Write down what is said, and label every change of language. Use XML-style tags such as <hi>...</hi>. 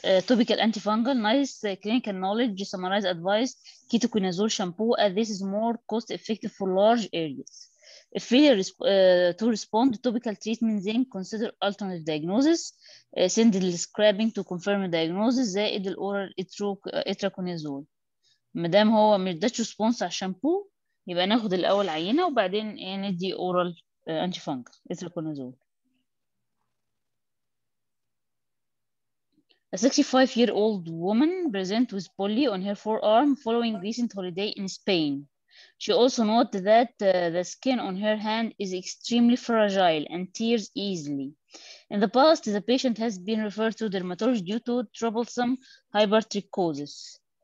<en>Topical antifungal, nice clinical knowledge, summarize advice, ketoconazole shampoo, this is more cost effective for large areas. If failure to respond to topical treatment, then consider alternative diagnosis, send the scrubbing to confirm the diagnosis,</en> <ar>زائد الاورال اتراكونازول. ما دام هو ما اداش ريسبونس على الشامبو يبقى ناخد الاول عينه وبعدين ندي اورال antifungal اتراكونازول.</ar> <en>A 65-year-old woman present with poly on her forearm following recent holiday in Spain. She also noted that the skin on her hand is extremely fragile and tears easily. In the past, the patient has been referred to dermatologist due to troublesome hypertrichosis.</en>